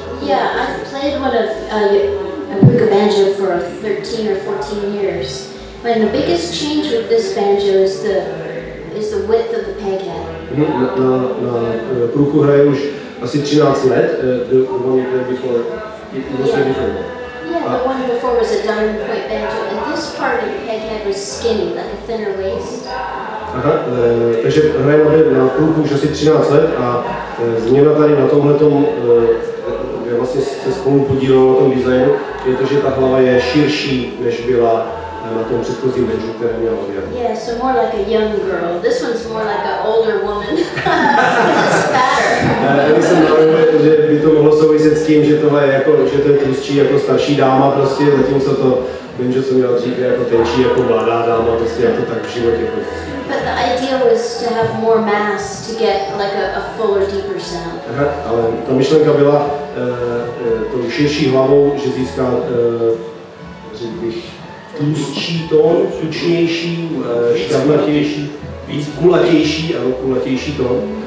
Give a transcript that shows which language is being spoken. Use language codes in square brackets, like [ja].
[en] Yeah, I've played one of Pruka banjo for 13 or 14 years, and the biggest change with this banjo is the width of the peg head. [cs] Na Pruku hraje už asi 13 let, [en] the one you played before, it was yeah. Different. Yeah, the one before was a diamond point banjo, and this part of the peg head was skinny, like a thinner waist. [cs] Aha, takže hrajeme na Pruku už asi 13 let a změna tady na tomhletom, kde vlastně se spolu podílelo na tom designu, je to, že ta hlava je širší, než byla na tom předchozím banjo, které měla odjel. [en] Yeah, so more like a young girl. This one's more like an older woman. It's fatter. [cs] Já jsem navrhuje, že by to mohlo souviset s tím, že tohle je jako, že to je tlustší jako starší dáma prostě, zatímco to banjo jsem měl dříve jako tenčí jako mladá dáma, prostě jako tak v životě. [en] But the idea was to have more mass to get like a fuller, deeper sound. [cs] Aha, ale ta myšlenka byla tou širší hlavou, že získá, řekl bych, tlustší tón, tučnější, šťavnatější, víc kulatější, ano, kulatější tón.